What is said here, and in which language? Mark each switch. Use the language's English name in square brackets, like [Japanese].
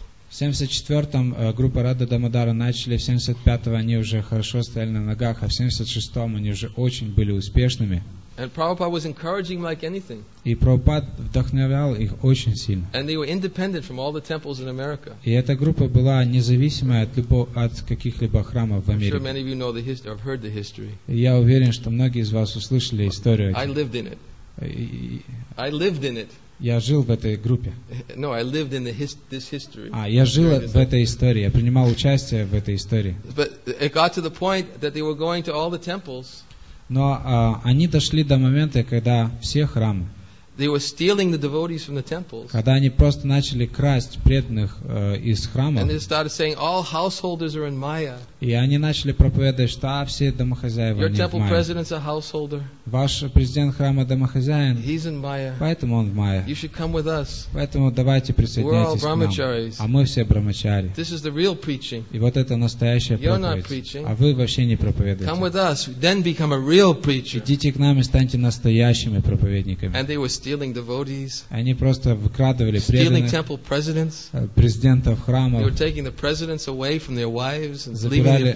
[Russian] В 74-м группа Радха Дамодара начали, в 75-м они уже хорошо стояли на ногах, а в 76-м они уже очень были успешными. [English] And Prabhupada was encouraging like anything. [Russian] И Прабхупад вдохновлял их очень сильно. [English] And they were independent from all the temples in America. [Russian] И эта группа была независимая от каких-либо храмов в Америке. [English] I'm sure many of you know the history, I've heard the history. [Russian] Я уверен, что многие из вас услышали историю. [English] I lived in it. [Russian] Я жил в этой группе. [English] No, I lived in this history. [Russian] А, я жил в этой истории. Я принимал участие в этой истории. [English] But it got to the point that they were going to all the temples. [Russian] Но они дошли до момента, когда все храмы. [English] They were stealing the devotees from the temples. [Russian] Когда они просто начали красть преданных из храмов. [English] And they started saying all householders are in Maya. [Russian] И они начали проповедовать, что все домохозяева в Майе. [English] Your temple president's a householder. [Russian] Ваш президент храма домохозяин. [English] He's in Maya. [Russian] Поэтому он в Майе. [English] You should come with us. [Russian] Поэтому давайте присоединяйтесь к нам. [English] We're all brahmacharis. [Russian] А мы все брахмачари. [English] This is the real preaching. [Russian] И вот это настоящая проповедь. [English] You're not preaching. [Russian] А вы вообще не проповедуете. [English] Come with us, then become a real preacher. [Russian] Идите к нам и станьте настоящими проповедниками. [English] And they were stealing devotees. [Russian] Они просто выкрадывали преданных. [English] Stealing temple presidents. [Russian] Президентов храмов. [English] They were taking the presidents away from their wives and leaving.